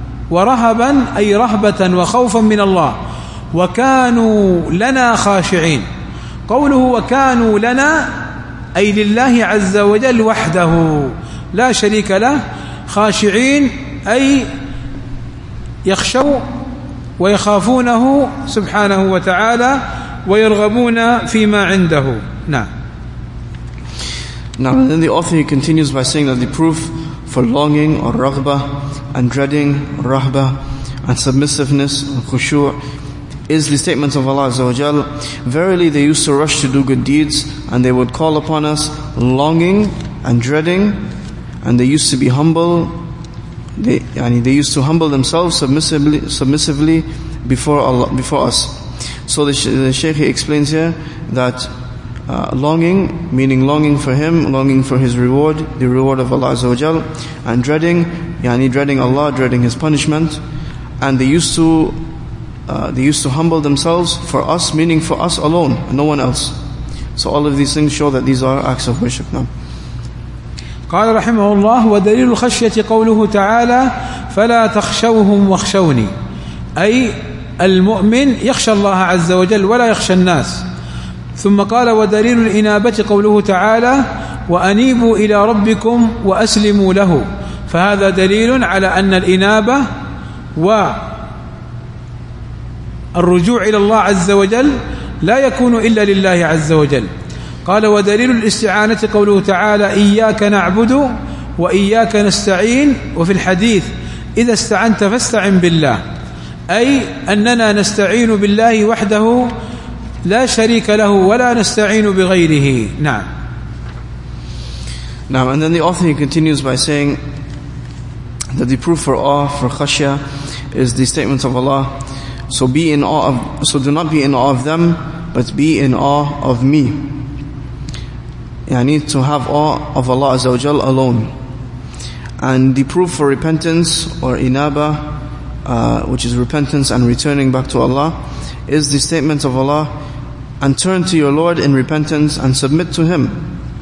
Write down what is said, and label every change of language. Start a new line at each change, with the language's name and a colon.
Arabic: ورهبا أي رهبة وخوفا من الله وكانوا لنا خاشعين قوله وكانوا لنا أي لله عز وجل وحده لا شريك له خاشعين أي يخشوا ويخافونه سبحانه وتعالى ويرغبون فيما عنده.
English: Now then the author he continues by saying that the proof for longing or raghbah and dreading or rahbah and submissiveness or khushu' is the statement of Allah Azza wa Jal, verily they used to rush to do good deeds and they would call upon us longing and dreading, and they used to be humble, they used to humble themselves submissively before Allah, before us. So the Shaykh he explains here that longing, meaning longing for Him, longing for His reward, the reward of Allah Azza wa Jal, and dreading, yani dreading Allah, dreading His punishment, and they used to humble themselves for us, meaning for us alone, no one else. So all of these things show that these are acts of worship. Now,
Arabic: قال رحمه الله ودليل الخشية قوله تعالى فلا تخشوهم واخشوني أي المؤمن يخشى الله عز وجل ولا يخشى الناس. ثم قال ودليل الإنابة قوله تعالى وأنيبوا إلى ربكم وأسلموا له. فهذا دليل على أن الإنابة و الرجوع إلى الله عز وجل لا يكون إلا لله عز وجل. قال ودليل الاستعانة قوله تعالى إياك نعبد وإياك نستعين. وفي الحديث إذا استعنت فاستعن بالله أي أننا نستعين بالله وحده لا شريك له ولا نستعين بغيره. نعم.
English: And then the author he continues by saying that the proof for awe, for khashya, is the statement of Allah, So do not be in awe of them, but be in awe of me. Yani to have awe of Allah Azza wa Jal alone. And the proof for repentance or inaba, which is repentance and returning back to Allah, is the statement of Allah, and turn to your Lord in repentance and submit to Him.